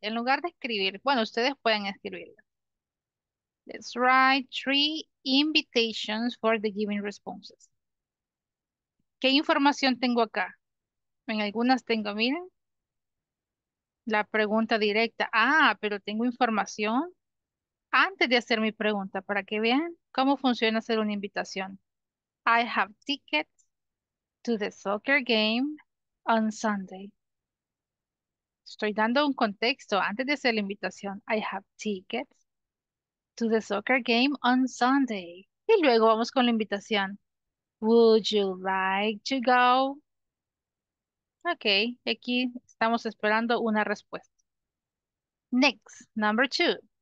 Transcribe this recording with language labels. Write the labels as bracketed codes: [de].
[es] En lugar de escribir, bueno, ustedes pueden escribirlo. [en] Let's write three invitations for the given responses. [es] ¿Qué información tengo acá? En algunas tengo, miren. La pregunta directa. Ah, pero tengo información antes de hacer mi pregunta para que vean cómo funciona hacer una invitación. [en] I have tickets to the soccer game on Sunday. [es] Estoy dando un contexto antes de hacer la invitación. [en] I have tickets to the soccer game on Sunday. [es] Y luego vamos con la invitación. [en] Would you like to go? [es] Okay, aquí estamos esperando una respuesta. [en] Next, number two.